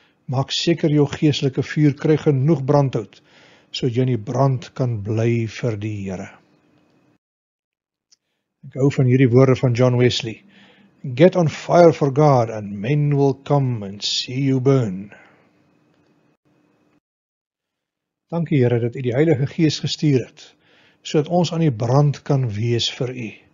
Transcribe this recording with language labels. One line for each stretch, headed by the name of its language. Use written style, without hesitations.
Afrikaans: Maak seker jou geestelike vuur kry genoeg brandhout, so jy in die brand kan bly vir die Here. Ek hou van hierdie woorde van John Wesley.
English: Get on fire for God and men will come and see you burn.
Afrikaans: Dankie Here dat U die Heilige Gees gestuur het, so dat ons aan die brand kan wees vir U.